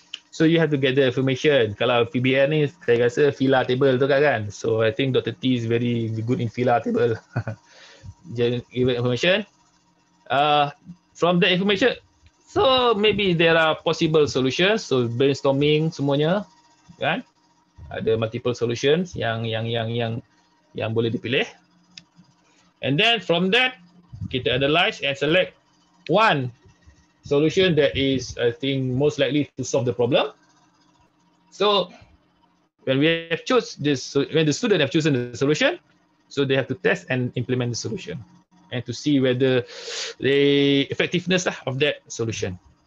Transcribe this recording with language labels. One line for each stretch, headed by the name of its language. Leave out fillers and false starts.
English: So you have to gather information.
Malay: Kalau PBL ni, saya rasa fila table tu kan.
English: So I think Dr. T is very good in fila table. Give information. From that information, so maybe there are possible solutions.
Malay: So brainstorming semuanya, kan? Ada multiple solutions yang boleh dipilih.
English: And then from that, kita analyze and select one solution that is, I think, most likely to solve the problem. So when we have choose this, when the student have chosen the solution, so they have to test and implement the solution and to see whether the effectiveness of that solution.